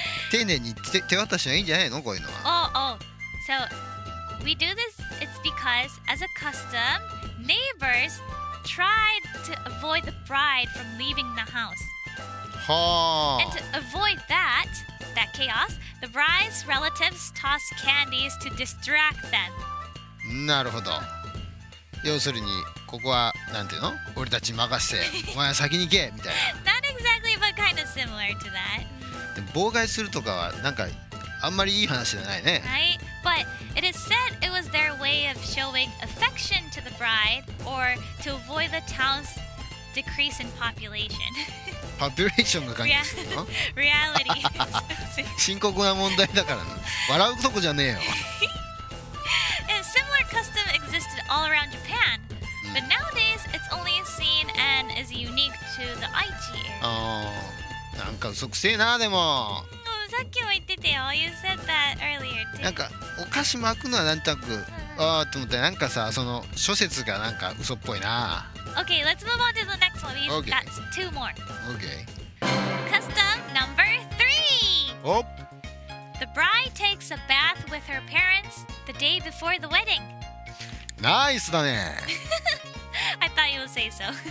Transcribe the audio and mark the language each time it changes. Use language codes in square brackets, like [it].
[ja] 丁寧に手渡しがいいんじゃないの、こういうのは。 [en] So we do this, it's because as a custom, neighbors tried to avoid the bride from leaving the house. [ja] はあ。 [en] And to avoid that chaos,The bride's relatives toss candies to distract them. [ja] なるほど。要するに、ここは、なんていうの？俺たち任せて、お前は先に行けみたいな。 [en] Not exactly, but kind of similar to that. [ja] でも妨害するとかは、なんか、あんまりいい話じゃないね。 [en] Right? But it is said it was their way of showing affection to the bride or to avoid the town's decrease in population. [ja] パピュレーションが関係するの？ [en] Reality. [ja] 深刻な問題だからな。笑うとこじゃねえよ。 [en] And similar custom existed all around Japan. But nowadays, it's only seen and is unique to the Aichi area. [ja] なんか嘘くせえな、でも。さっきも言ってたよ。 [en] You said that earlier too. [ja] なんか、お菓子巻くのはなんとなく、あーと思って、なんかさ、その諸説がなんか嘘っぽいな。 [en] Okay, let's move on to the next one. We've got two more. Okay. Custom number three. Oh. The bride takes a bath with her parents the day before the wedding. Nice, [ja] だね。 [en] I thought you would say so.